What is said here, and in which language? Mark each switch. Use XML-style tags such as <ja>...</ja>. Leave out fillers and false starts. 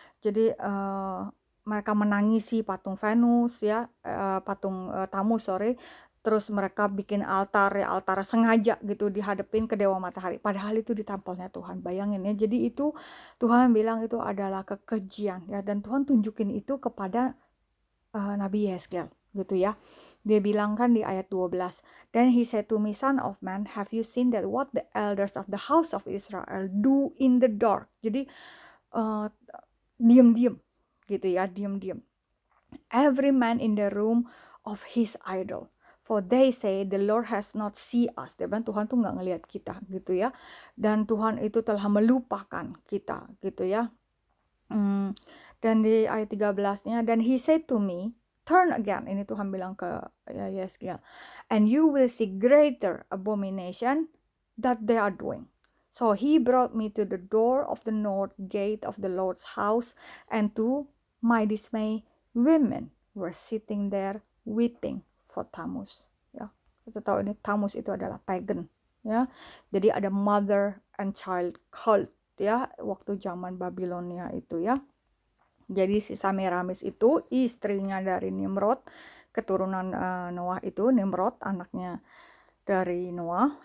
<id>Jadi mereka menangisi patung Venus ya, patung Tammuz. Terus mereka bikin altar ya, altar sengaja gitu dihadepin ke dewa matahari. Padahal itu di tempelnya Tuhan, bayangin ya. Jadi itu Tuhan bilang itu adalah kekejian ya, dan Tuhan tunjukin itu kepada Nabi Yehezkiel gitu ya. Dia bilang kan di ayat 12,</id> <en>"Then he said to me, son of man, have you seen that what the elders of the house of Israel do in the dark?"</en> <id>Jadi diam-diam gitu ya, diam-diam.</id> <en>"Every man in the room of his idol, for they say the Lord has not see us."</en> <id>Dia bilang Tuhan tuh nggak ngelihat kita gitu ya, dan Tuhan itu telah melupakan kita gitu ya. Dan di ayat 13-nya,</id> <en>"Then he said to me, turn again."</en> <id>Ini Tuhan bilang ke Yehezkiel,</id> <en>"and you will see greater abomination that they are doing. So he brought me to the door of the north gate of the Lord's house, and to my dismay, women were sitting there weeping for Tammuz."</en> <id>Ya, kita tahu ini Tammuz itu adalah pagan. Ya, jadi ada</id> <en>mother and child cult.</en> <id>Ya, waktu zaman Babilonia itu. Ya, jadi si Semiramis itu istrinya dari Nimrod, keturunan Noah itu Nimrod, anaknya dari Noah.</id>